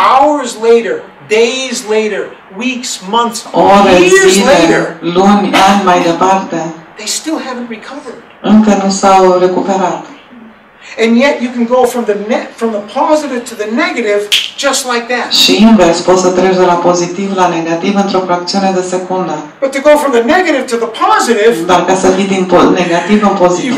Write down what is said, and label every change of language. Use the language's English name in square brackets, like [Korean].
[English] Hours later, days later, weeks, months, [Romanian] ore, [English] years [Romanian] zile, [English] later, [Romanian] luni, ani mai departe. [English] They still haven't recovered. [Romanian] Încă nu s-au recuperat. [English] And yet you can go from the positive to the negative just like that. [Romanian] Și invers, poți să treci de la pozitiv la negativ într-o fracțiune de secundă. [English] But to go from the negative to the positive, [Romanian] dar ca să fii din negativ în pozitiv,